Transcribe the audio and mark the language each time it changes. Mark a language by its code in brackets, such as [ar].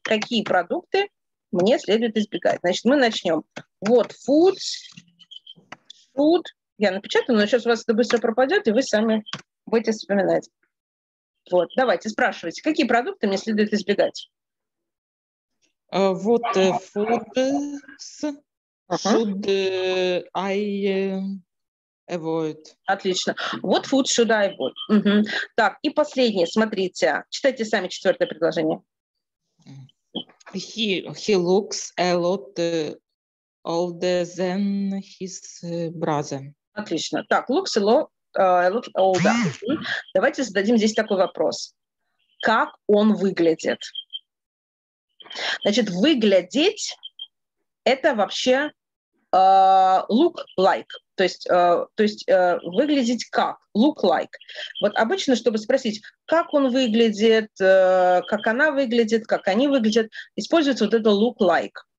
[ru] Какие продукты мне следует избегать? Значит, мы начнем. [en] What foods should... [ru] Я напечатаю, но сейчас у вас это быстро пропадет, и вы сами будете вспоминать. Вот, давайте, спрашивайте, какие продукты мне следует избегать? [en] What foods should I avoid? [ru] Отлично. [en] What foods should I avoid? [ru] Так, и последнее, смотрите. Читайте сами четвертое предложение. [en] He looks a lot older than his brother. [ru] Отлично. [en] Так, looks a lot, look older. [ru] Давайте зададим здесь такой вопрос. Как он выглядит? Значит, выглядеть – это вообще look like. То есть выглядеть как, look like. Вот обычно, чтобы спросить, как он выглядит, как она выглядит, как они выглядят, используется вот это look like.